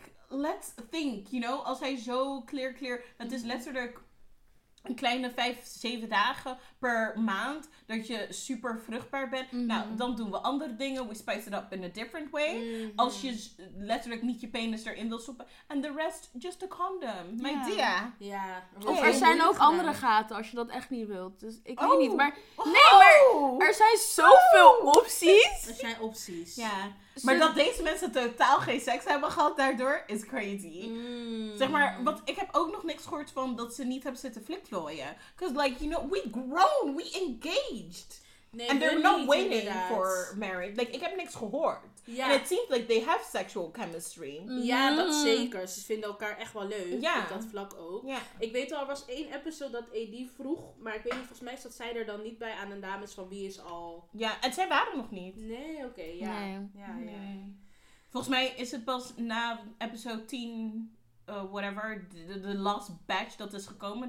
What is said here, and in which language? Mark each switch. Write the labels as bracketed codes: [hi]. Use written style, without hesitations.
[en] Let's think, you know, [nl] als hij zo clear, het is letterlijk een kleine 5-7 dagen per maand dat je super vruchtbaar bent. Mm-hmm. Nou, dan doen we andere dingen, [en] we spice it up in a different way. Mm-hmm. [nl] Als je letterlijk niet je penis erin wil stoppen. [en] And the rest, just a condom, my dear. [nl] Ja. Of er zijn ook andere gaten als je dat echt niet wilt. Dus ik weet niet, maar... Nee, maar er zijn zoveel opties. Er zijn opties. Ja. Maar dat deze mensen totaal geen seks hebben gehad daardoor, is crazy. Mm. Zeg maar, want ik heb ook nog niks gehoord van dat ze niet hebben zitten flikvlooien. [en] Because like, you know, we grown, we engaged. [nl] Nee, [en] and they're not [nl] niet, [en] waiting [nl] inderdaad. [en] For marriage. Like, [nl] ik heb niks gehoord. Ja. [en] And it seems like they have sexual chemistry. [nl] Ja, dat zeker. Ze vinden elkaar echt wel leuk. Ja. Op dat vlak ook. Ja. Ik weet al, er was één episode dat Edie vroeg. Maar ik weet niet, volgens mij zat zij er dan niet bij aan een dames van wie is al... Ja, en zij waren nog niet. Nee, oké. Ja. Nee. Volgens mij is het pas na episode 10... [en] whatever, the last batch [nl] dat is gekomen.